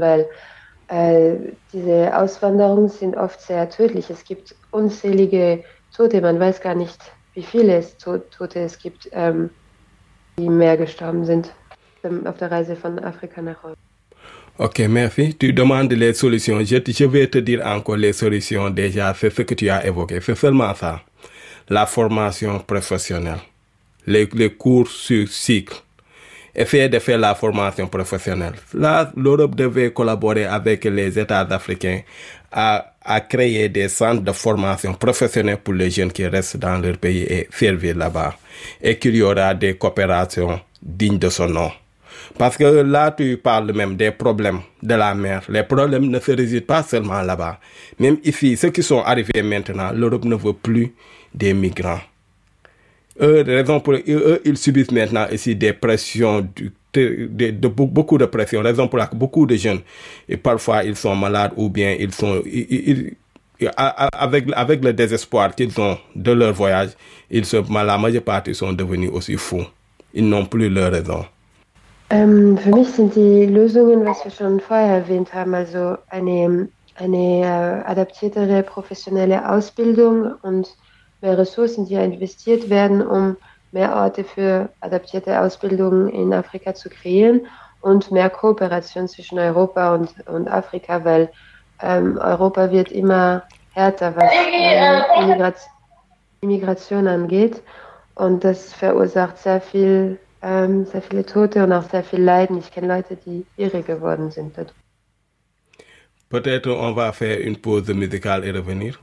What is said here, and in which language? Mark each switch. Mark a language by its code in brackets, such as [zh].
[de] Weil diese Auswanderungen sind oft sehr tödlich. Es gibt unzählige Tote. Man weiß gar nicht, wie viele Tote es gibt, die mehr gestorben sind auf der Reise von Afrika nach Europa. [fr] Ok, merci. Tu demandes les solutions. Je vais te dire encore les solutions. Déjà, c'est ce que tu as évoqué. C'est seulement ça. La formation professionnelle. Les cours sur cycle. Essayer de faire la formation professionnelle. Là, l'Europe devait collaborer avec les États africains à créer des centres de formation professionnelle pour les jeunes qui restent dans leur pays et servir là-bas. Et qu'il y aura des coopérations dignes de ce nom. Parce que là, tu parles même des problèmes de la mer. Les problèmes ne se résident pas seulement là-bas. Même ici, ceux qui sont arrivés maintenant, l'Europe ne veut plus des migrants. Raison pour eux, ils subissent maintenant ici des pressions, de beaucoup de pressions. Raison pour laquelle beaucoup de jeunes, et parfois ils sont malades ou bien ils sont avec le désespoir qu'ils ont de leur voyage, la majeure partie sont devenus aussi fous. Ils n'ont plus leur raison. [de] Für mich sind die Lösungen, was wir schon vorher erwähnt haben, also eine adaptiertere professionelle Ausbildung und mehr Ressourcen, die investiert werden, um mehr Orte für adaptierte Ausbildungen in Afrika zu kreieren und mehr Kooperation zwischen Europa und Afrika, weil Europa wird immer härter, was Immigration angeht. Und das verursacht sehr viele Tote und auch sehr viel Leiden. Ich kenne Leute, die irre geworden sind dadurch. [fr] Peut-être on va faire une pause musicale et revenir.